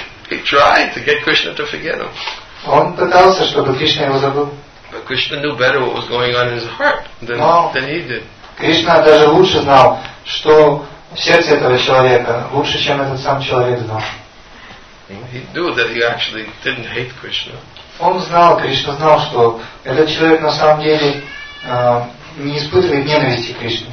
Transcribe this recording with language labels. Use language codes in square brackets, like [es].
[en] He tried to get Krishna to forget him. [ru] Он пытался, чтобы Кришна его забыл. [en] But Krishna knew better what was going on in his heart than he did. [ru] Кришна даже лучше знал, что в сердце этого человека лучше, чем этот сам человек знал. [en] He knew that he actually didn't hate Krishna. [ru] Он знал, Кришна знал, что этот человек на самом деле не испытывает ненависти к Кришне.